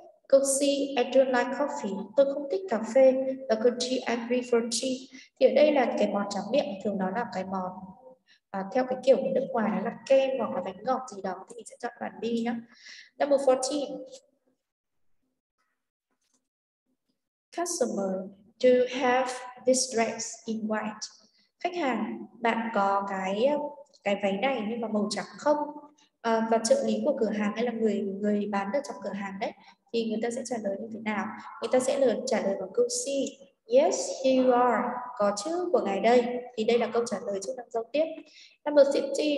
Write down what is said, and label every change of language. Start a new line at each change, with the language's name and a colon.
Vietnamese: Câu C,
English: I don't like coffee.
Vietnamese: Tôi không thích cà phê. Và câu D,
English: I prefer tea.
Vietnamese: Thì ở đây là cái món tráng miệng, thường nó là cái món theo cái kiểu của nước ngoài là kem hoặc là bánh ngọt gì đó, thì mình sẽ chọn bạn B nhá.
English: Number 14. Customer, do you have this dress in white?
Vietnamese: Khách hàng, bạn có cái váy này nhưng mà màu trắng không? Và trợ lý của cửa hàng hay là người bán ở trong cửa hàng đấy, thì người ta sẽ trả lời như thế nào? Người ta sẽ trả lời bằng câu C.
English: Yes, here you are.
Vietnamese: Có chữ của ngài đây. Thì đây là câu trả lời chức năng giao tiếp.
English: Number 15.